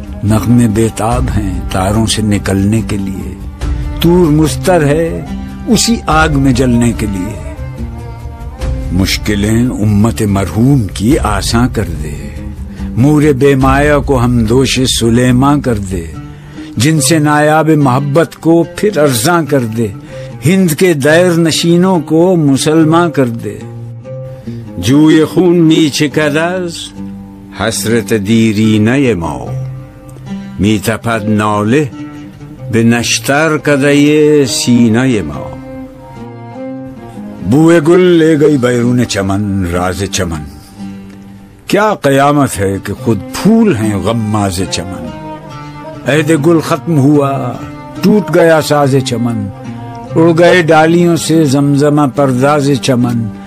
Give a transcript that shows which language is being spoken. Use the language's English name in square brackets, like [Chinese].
[Urdu] نغمے بیتاب ہیں تاروں سے نکلنے کے لیے، تور مستر ہے اسی آگ میں جلنے کے لیے، مشکلیں امت مرحوم کی آسان کر دے، مور بے مایا کو ہم دوش سلیماں کر دے، جن سے نایاب محبت کو پھر ارزاں کر دے، ہند کے دائر نشینوں کو مسلمان کر دے. [Persian] جوی خون می چکد از حسرت دیرینه ما، می تپد ناله به نشتر کده سینه ما. [Urdu] بوی گل لے گئی بیرون چمن راز چمن، کیا قیامت ہے کہ خود پھول ہیں غماز چمن. عہد گل ختم ہوا ٹوٹ گیا ساز چمن، اڑ گئے ڈالیوں سے زمزمہ پرداز چمن.